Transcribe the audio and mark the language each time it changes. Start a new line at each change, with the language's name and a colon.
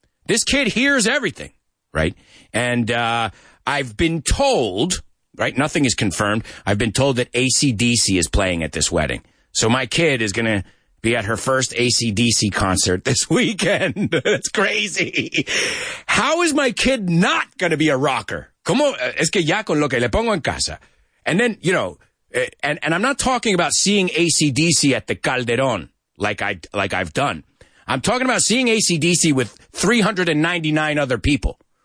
English: This kid hears everything, right? And I've been told, right, nothing is confirmed, I've been told that AC/DC is playing at this wedding. So my kid is going to be at her first AC/DC concert this weekend. That's crazy. How is my kid not going to be a rocker?
Spanish: ¿Cómo es que ya con lo que le pongo en casa?
English: And then, you know, and I'm not talking about seeing AC/DC at the Calderón like I've done. I'm talking about seeing AC/DC with 399 other people.